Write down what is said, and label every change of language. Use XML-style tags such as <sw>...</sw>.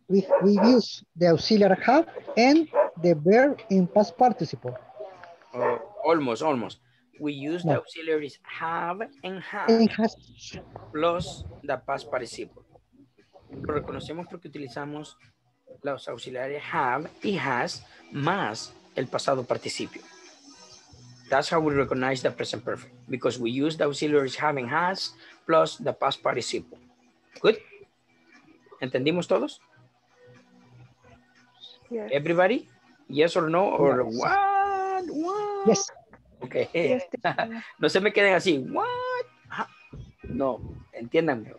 <en>We use the auxiliary have and the verb in past participle. Almost. We use the auxiliaries have and has plus the past participle.</en> <es>Lo reconocemos porque utilizamos los auxiliares have y has más el pasado participio.</es> <en>That's how we recognize the present perfect. Because we use the auxiliaries have and has plus the past participle. Good?</en> <es>¿Entendimos todos?</es> <en>Yes. Everybody? Yes or no? Or yes. What? Yes. Okay. Yes.</en> <es>No se me queden así.</es> <en>What?</en> <es>No. Entiéndanme.</es>